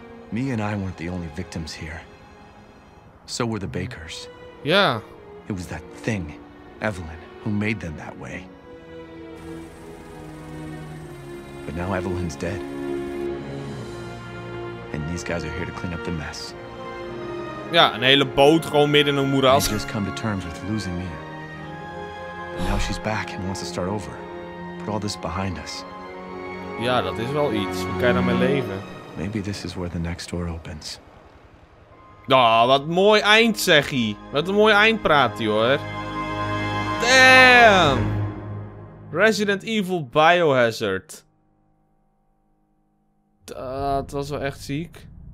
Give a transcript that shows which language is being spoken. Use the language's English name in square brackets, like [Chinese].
[English] Me and I weren't the only victims here. So were the Bakers. Yeah. It was that thing, Evelyn, who made them that way. But now Evelyn's dead. And these guys are here to clean up the mess. [Dutch] Ja, een hele boot gewoon midden in een moeras. [English] She's come to terms with losing me. But now she's back and wants to start over. Put all this behind us. [Dutch] Ja, dat is wel iets. Hoe kan je daarmee leven? [English] Maybe this is where the next door opens. [Dutch] Oh, wat een mooi eind, zeg je. Wat een mooi eind praat hij, hoor. [English] Damn! Resident Evil Biohazard. [Dutch] Dat was wel echt ziek.